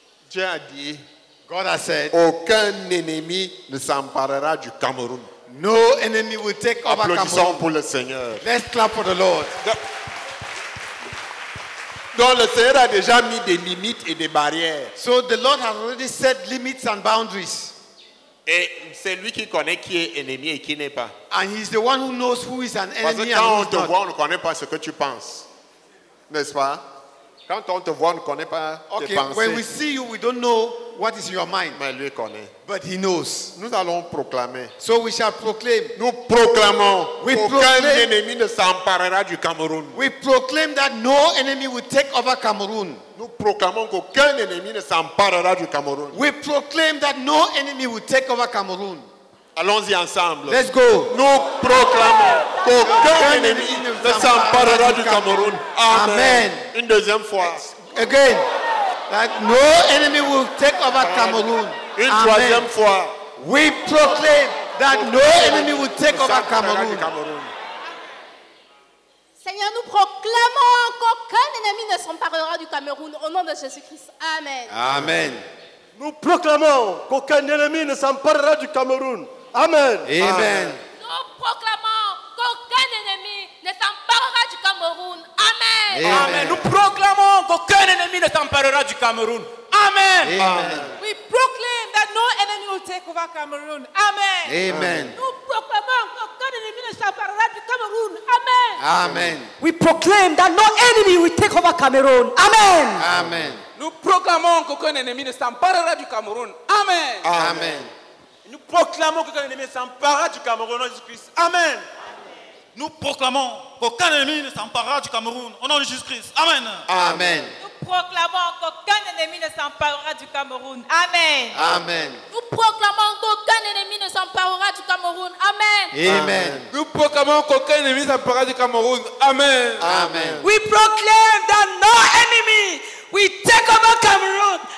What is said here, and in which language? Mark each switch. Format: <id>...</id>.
<fr>Dieu a dit,</fr> <en>God has said,</en> <fr>aucun ennemi ne s'emparera du Cameroun.</fr> <en>No enemy will take over Cameroon.</en> <fr>Applaudissons pour le Seigneur.</fr> <en>Let's clap for the Lord.</en> <fr>Donc le Seigneur a déjà mis des limites et des barrières.</fr> <en>So the Lord has already set limits and boundaries.</en> <fr>Et c'est lui qui connaît qui est ennemi et qui n'est pas.</fr> <en>And he's the one who knows who is an enemy.</en> <fr>Parce que quand on te</fr> <en>not.</en> <fr>Voit, on ne connaît pas ce que tu penses, n'est-ce pas? Quand on te voit, on ne connaît pas</fr> <en>okay,</en> <fr>tes pensées.</fr> <en>When we see you, we don't know what is in your mind.</en> <fr>Mais lui connaît.</fr> <en>But he knows.</en> <fr>Nous allons proclamer.</fr> <en>So we shall proclaim.</en> <fr>Nous proclamons.</fr> <en>We</en> <fr>aucun</fr> <en>proclaim.</en> <fr>Ennemi ne s'emparera du Cameroun.</fr> <en>We proclaim that no enemy will take over Cameroon.</en> <fr>Nous proclamons qu'aucun ennemi ne s'emparera du Cameroun.</fr> <en>We proclaim that no enemy will take over Cameroon.</en> <fr>Allons-y ensemble.</fr> <en>Let's go.</en> <fr>Nous proclamons qu'aucun ennemi ne s'emparera du Cameroun. Amen. Une deuxième fois.</fr> <en>Again. That no enemy will take over Cameroon.</en> <fr>Une troisième fois.</fr> <en>We proclaim that no enemy will take over Cameroon.</en> <fr>Seigneur, nous proclamons qu'aucun ennemi ne s'emparera du Cameroun au nom de Jésus-Christ. Amen. Amen. Nous proclamons qu'aucun ennemi ne s'emparera du Cameroun. Amen. Amen. Amen. Nous proclamons qu'aucun ennemi ne s'emparera du Cameroun. Amen. Amen. Amen. Nous proclamons qu'aucun ennemi ne s'emparera du Cameroun. Amen. Amen.</fr> <en>We proclaim that no enemy will take over Cameroon. Amen. Amen.</en> <fr>Nous proclamons qu'aucun ennemi ne s'emparera du Cameroon. Amen. Amen.</fr> <en>We proclaim that no enemy will take over Cameroon. Amen. Amen.</en> <fr>Nous proclamons qu'aucun ennemi ne s'emparera du Cameroun. Amen. Amen. Nous proclamons qu'aucun ennemi ne s'emparera du Cameroun au nom de Jésus-Christ. Amen. Amen. Nous proclamons qu'aucun ennemi ne s'emparera du Cameroun au nom de Jésus-Christ. Amen. Amen. Proclamons qu'aucun ennemi ne s'emparera du Cameroun. Amen. Amen. Nous proclamons qu'aucun ennemi ne s'emparera du Cameroun. Amen. Amen. Nous proclamons qu'aucun ennemi ne s'emparera du Cameroun. Amen. Amen.</fr> <en>We proclaim that no enemy will take over Cameroon.</en>